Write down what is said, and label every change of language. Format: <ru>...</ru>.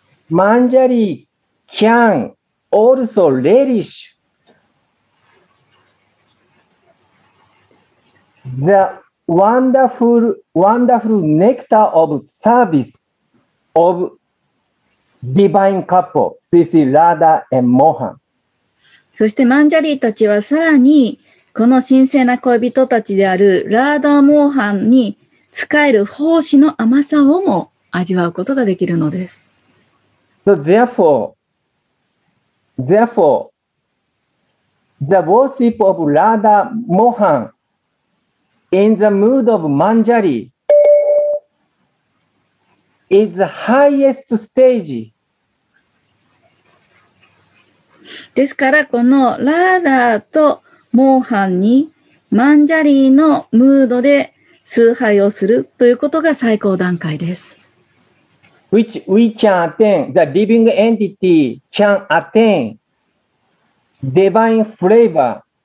<en>マンジャリー can also relish the wonderful nectar of service of divine couple, Sisi Radha and Mohan.</en> <ja>そしてマンジャリーたちはさらにこの神聖な恋人たちであるラーダーモーハンに仕える奉仕の甘さをも味わうことができるのです。</ja> <en>So therefore, the worship of Radha Mohan in the mood of Manjari is the highest stage.</en> <ja>ですからこのラーダーとモーハンにマンジャリーのムードで崇拝をするということが最高段階です。</ja> <en>Which we can attain, the living entity can attain divine flavor.</en>